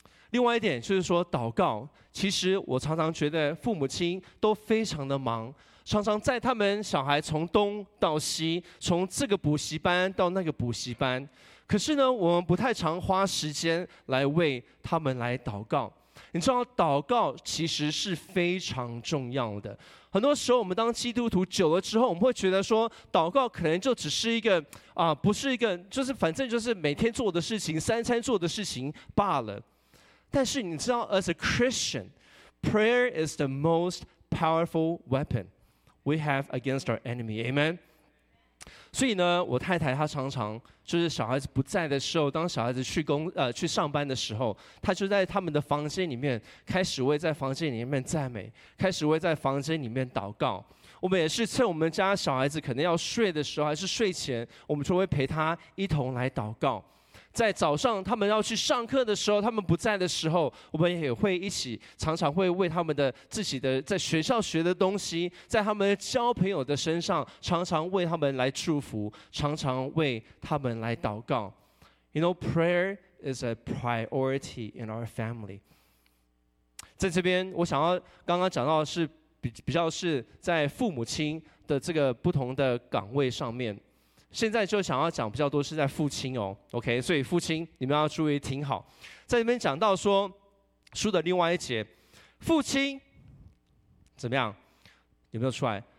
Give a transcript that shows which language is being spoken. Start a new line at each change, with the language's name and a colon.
Chinese: 另外一点就是说祷告，其实我常常觉得父母亲都非常的忙，常常在他们小孩从东到西，从这个补习班到那个补习班，可是呢，我们不太常花时间来为他们来祷告。你知道祷告其实是非常重要的。很多时候我们当基督徒久了之后，我们会觉得说祷告可能就只是一个不是一个，就是反正就是每天做的事情，三餐做的事情罢了。但是你知道
English: as a Christian, prayer is the most powerful weapon we have against our enemy. Amen。
Chinese: 所以呢，我太太她常常就是小孩子不在的时候，当小孩子去上班的时候，她就在他们的房间里面开始为在房间里面赞美，开始为在房间里面祷告。我们也是趁我们家小孩子可能要睡的时候，还是睡前，我们就会陪他一同来祷告。在早上他们要去上课的时候，他们不在的时候，我们也会一起常常会为他们的自己的在学校学的东西，在他们交朋友的身上常常为他们来祝福，常常为他们来祷告。
English: You know, prayer is a priority in our family.
Chinese: 在这边我想要刚刚讲到的是比较是在父母亲的这个不同的岗位上面，现在就想要讲比较多是在父亲哦， OK， 所以父亲你们要注意听好。在这边讲到说书的另外一节，父亲怎么样，有没有出来？